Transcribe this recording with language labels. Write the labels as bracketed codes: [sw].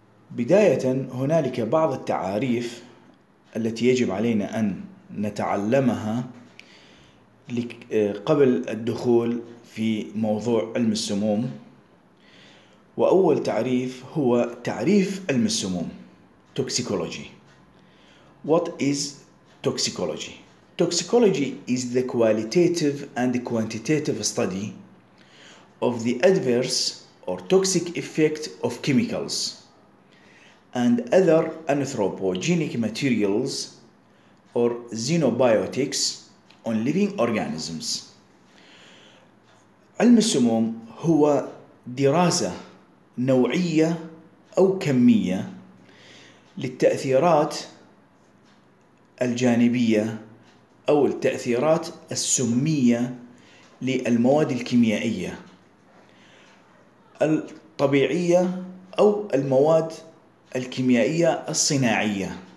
[ar] بداية، هنالك بعض التعاريف التي يجب علينا أن نتعلمها قبل الدخول في موضوع علم السموم. وأول تعريف هو تعريف علم السموم Toxicology. [en] What is Toxicology? Toxicology is the qualitative and quantitative study of the adverse or toxic effect of chemicals and other anthropogenic materials or xenobiotics on living organisms. [ar] علم السموم هو دراسة نوعية أو كمية للتأثيرات الجانبية أو التأثيرات السمية للمواد الكيميائية الطبيعية أو المواد الكيميائية الصناعية